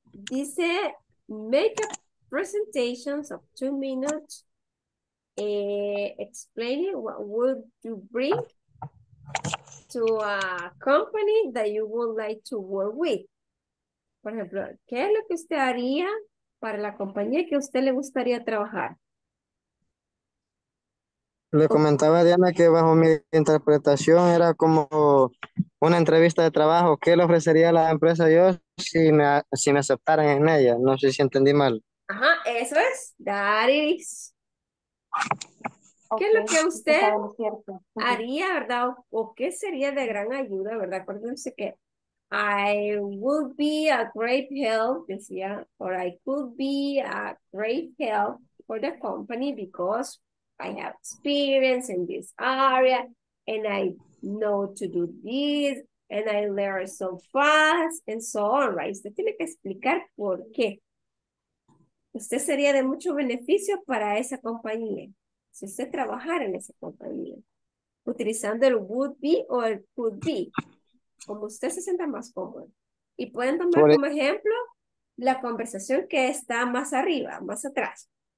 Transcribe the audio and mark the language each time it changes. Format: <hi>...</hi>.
<es>Dice,</es> <en>make a presentation of 2 minutes, explaining what would you bring to a company that you would like to work with.</en> <es>Por ejemplo, ¿qué es lo que usted haría para la compañía que usted le gustaría trabajar? Le comentaba a Diana que bajo mi interpretación era como una entrevista de trabajo. ¿Qué le ofrecería a la empresa yo si me aceptaran en ella? No sé si entendí mal. Ajá, eso es.</es> <en>That is.</en> <es>¿Qué es lo que usted haría, verdad? ¿O qué sería de gran ayuda, verdad? Acuérdense que</es> <en>I would be a great help,</en> <es>decía,</es> <en>or I could be a great help for the company because I have experience in this area and I know to do this and I learn so fast and so on, right?</en> <es>Usted tiene que explicar por qué. Usted sería de mucho beneficio para esa compañía. Si usted trabajara en esa compañía, utilizando el would be o el could be, como usted se sienta más cómodo. Y pueden tomar como ejemplo la conversación que está más arriba, más atrás.</es>